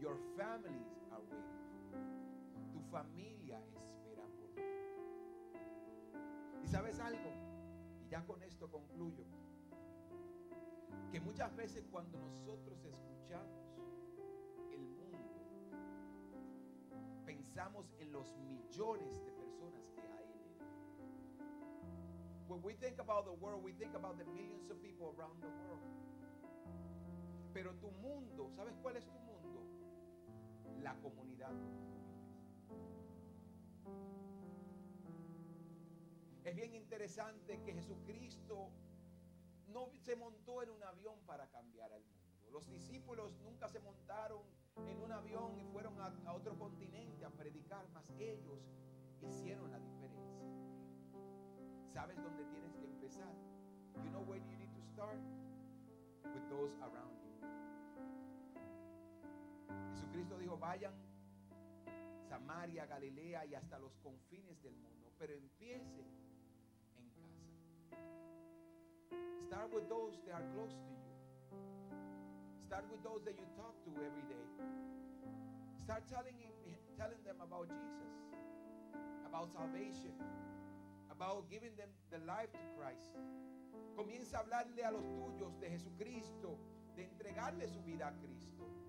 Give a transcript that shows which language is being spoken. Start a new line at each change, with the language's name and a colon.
English: Your families are waiting for you.
Spanish: Tu familia espera por ti. ¿Y sabes algo? Y ya con esto concluyo. Que muchas veces cuando nosotros escuchamos el mundo, pensamos en los millones de personas que hay en él.
English: When we think about the world, we think about the millions of people around the world.
Spanish: Pero tu mundo, ¿sabes cuál es tu mundo? La comunidad. Es bien interesante que Jesucristo no se montó en un avión para cambiar al mundo. Los discípulos nunca se montaron en un avión y fueron a otro continente a predicar, mas ellos hicieron la diferencia. ¿Sabes dónde tienes que empezar?
English: You know where you need to start? With those around you.
Spanish: Jesucristo dijo, vayan Samaria, Galilea y hasta los confines del mundo, pero empiecen en casa.
English: Start with those that are close to you. Start with those that you talk to every day. Start telling them about Jesus, about salvation, about giving them the life to Christ.
Spanish: Comienza a hablarle a los tuyos de Jesucristo, de entregarle su vida a Cristo.